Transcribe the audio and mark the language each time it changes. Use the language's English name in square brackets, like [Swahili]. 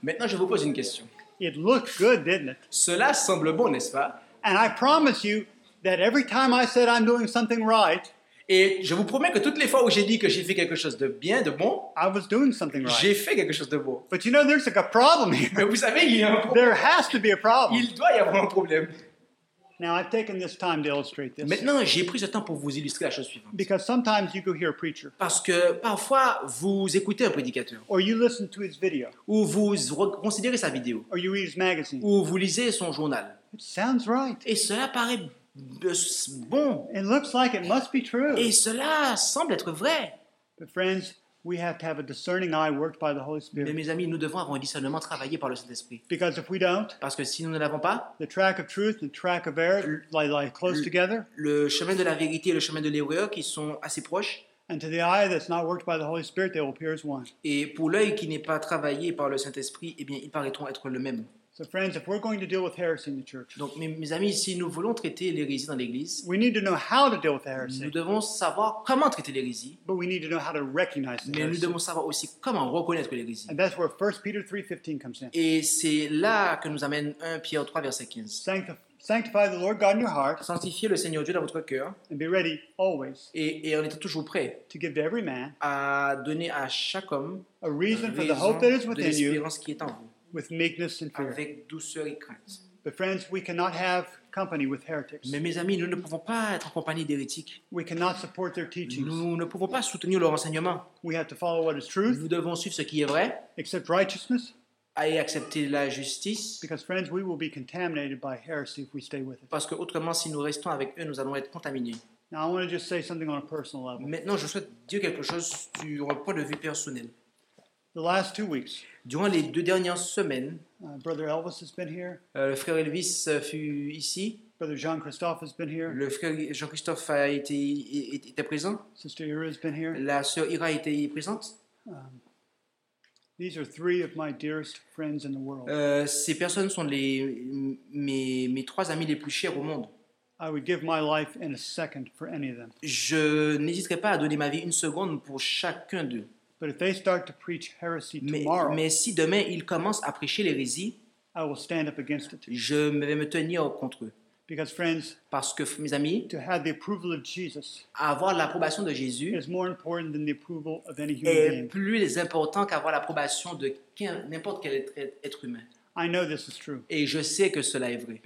[French] Maintenant, je vous pose une question. [English] It looked good, didn't it? [French] Cela semble bon, n'est-ce pas? [English] And I promise you that every time I said I'm doing something right, [French] et je vous promets que toutes les fois où j'ai dit que j'ai fait quelque chose de bien, de bon, [English] I was doing something right. [French] J'ai fait quelque chose de bon. [English] But you know, there's like a problem here. [French] Mais vous savez, il y a un problème. [English] There has to be a problem. [French] Il doit y avoir un problème. [English] Now I've taken this time to illustrate this. [French] Maintenant, j'ai pris ce temps pour vous illustrer la chose suivante. [English] Because sometimes you go hear a preacher. [French] Parce que parfois vous écoutez un prédicateur. [English] Or you listen to his video. [French] Ou vous considérez sa vidéo. [English] Or you read his magazine. [French] Ou vous lisez son journal. [English] It sounds right. [French] Et cela paraît bon. [English] It looks like it must be true. [French] Et cela semble être vrai. [English] But friends, we have to have a discerning eye worked by the Holy Spirit. [French] Mais mes amis, nous devons avoir un discernement travaillé par le Saint-Esprit. [English] Because if we don't, [French] parce que si nous ne l'avons pas, [English] the track of truth, the track of error, lie close together. [French] Le chemin de la vérité et le chemin de l'erreur qui sont assez proches. [English] And to the eye that's not worked by the Holy Spirit, they will appear as one. [French] Et pour l'œil qui n'est pas travaillé par le Saint-Esprit, eh bien, ils paraîtront être le même. [English] So friends, if we're going to deal with heresy in the church, [French] donc mes amis, si nous voulons traiter l'hérésie dans l'église, [English] we need to know how to deal with heresy. [French] Nous devons savoir comment traiter l'hérésie. [English] But we need to know how to recognize the heresy. [French] Mais nous devons savoir aussi comment reconnaître l'hérésie. [English] And that's where 1 Peter 3:15 comes in. [French] Et c'est là que nous amène 1 Pierre 3 verset 15. [English] Sanctify the Lord God in your heart. [French] Sanctifiez le Seigneur Dieu dans votre cœur. [English] And be ready always. [French] Et on est toujours prêt. [English] To give to every man. [French] À donner à chaque homme. [English] A reason for the hope that is within you. [French] De l'espérance qui est en vous. [English] With meekness and fear. [French] Avec douceur et crainte. [English] But friends, we cannot have company with heretics. [French] Mais mes amis, nous ne pouvons pas être en compagnie d'hérétiques. [English] We cannot support their teachings. [French] Nous ne pouvons pas soutenir leur enseignement. [English] We have to follow what is truth. [French] Nous devons suivre ce qui est vrai. [English] Accept righteousness. [French] Et accepter la justice. [English] Because friends, we will be contaminated by heresy if we stay with it. [French] Parce que autrement, si nous restons avec eux, nous allons être contaminés. [English] Now I want to just say something on a personal level. [French] Maintenant, je souhaite dire quelque chose sur un point de vue personnel. [English] The last 2 weeks. [French] Durant les deux dernières semaines, [English] Brother Elvis has been here. [French] Le frère Elvis fut ici. [English] Brother Jean-Christophe has been here. [French] Le frère Jean-Christophe a été était présent. [English] Sister Ira has been here. [French] La sœur Ira était présente. [English] These are three of my dearest friends in the world. [French] Ces personnes sont mes trois amis les plus chers au monde. [English] I would give my life in a second for any of them. [French] Je n'hésiterais pas à donner ma vie une seconde pour chacun d'eux. [English] But if they start to preach heresy tomorrow, [French] mais si demain ils commencent à prêcher l'hérésie, [English] I will stand up against it. [French] Je vais me tenir contre eux. [English] Because friends, [French] parce que mes amis, [English] to have the approval of Jesus, [French] avoir l'approbation de Jésus, [English] is more important than the approval of any human [French] est [English] being. [French] Plus important qu'avoir l'approbation de n'importe quel être humain. [English] I know this is true. [French] Et je sais que cela est vrai.